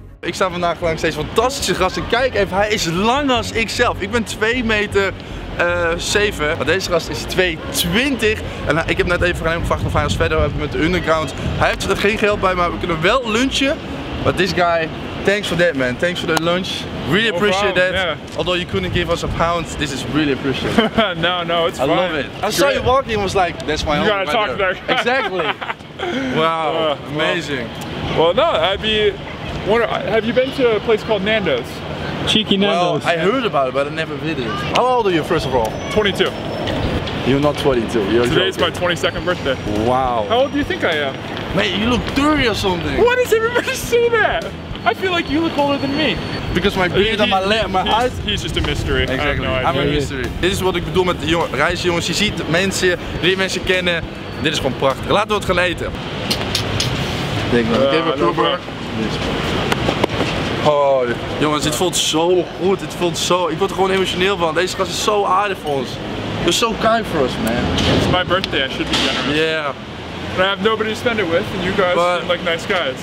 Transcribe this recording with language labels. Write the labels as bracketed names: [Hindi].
[Dutch] Ik sta vandaag langs deze fantastische gasten. Kijk even, hij is lang als ik zelf. Ik ben 2 meter 7. Maar deze gast is 2,20. En ik heb net even gevraagd of hij ons verder heeft met de underground. Hij heeft er geen geld bij, maar we kunnen wel lunchen. [English] Maar this guy, thanks for that, man. Thanks for the lunch. Really appreciate pound, Yeah. Although you couldn't give us a pound, this is really appreciated. No, it's I fine. I love it. I saw you walking and was like, that's my home. You gotta talk there. Exactly. Wow, amazing. Have you been to a place called Nando's? Cheeky Nando's. Well, I heard about it, but I never did it. How old are you, first of all? 22. You're not 22. You're Today Is my 22nd birthday. Wow. How old do you think I am? Mate, you look 30 or something. Why does everybody say that? I feel like you look older than me. Because my beard and my lip, my eyes. He's just a mystery. Exactly. I have no idea. I'm a mystery. [Dutch] Dit is wat ik bedoel met de reizen, jongens. Je ziet mensen, drie mensen kennen. Dit is gewoon prachtig. Laten we het gaan eten. Denk maar. [English] Give a proper. [Dutch] Oh, jongens, dit voelt zo goed. Dit voelt zo. Ik word er gewoon emotioneel van. Deze gast is zo aardig voor ons. [English] You're so kind for us, man. It's my birthday. I should be generous. Yeah. But I have nobody to spend it with, and you guys are like nice guys.